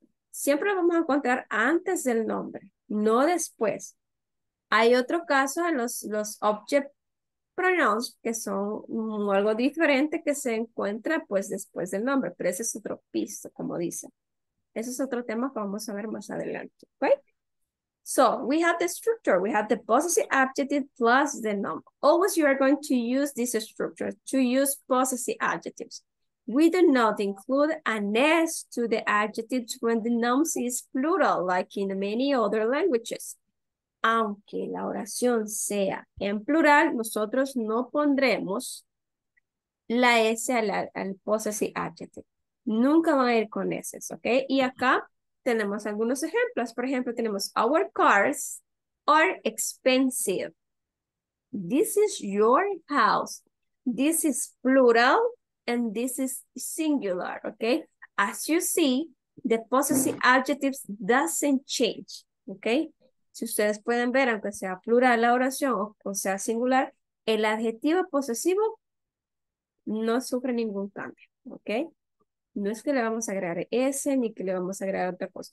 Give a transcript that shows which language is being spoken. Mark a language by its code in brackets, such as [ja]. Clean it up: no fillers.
[es] Siempre lo vamos a encontrar antes del nombre, no después. Hay otro caso en los object pronouns, que son algo diferente que se encuentra pues después del nombre, pero ese es otro piso, como dicen. Ese es otro tema que vamos a ver más adelante, okay? [en] So, we have the structure, we have the possessive adjective plus the noun. Always you are going to use this structure to use possessive adjectives. We do not include an S to the adjectives when the noun is plural, like in many other languages. [es] Aunque la oración sea en plural, nosotros no pondremos la S al possessive adjective. Nunca van a ir con S, ¿ok? Y acá tenemos algunos ejemplos. Por ejemplo, tenemos [en] our cars are expensive. This is your house. This is plural and this is singular, ¿ok? As you see, the possessive adjective doesn't change, ¿ok? [es] Si ustedes pueden ver, aunque sea plural la oración o sea singular, el adjetivo posesivo no sufre ningún cambio, ¿ok? No es que le vamos a agregar S ni que le vamos a agregar otra cosa.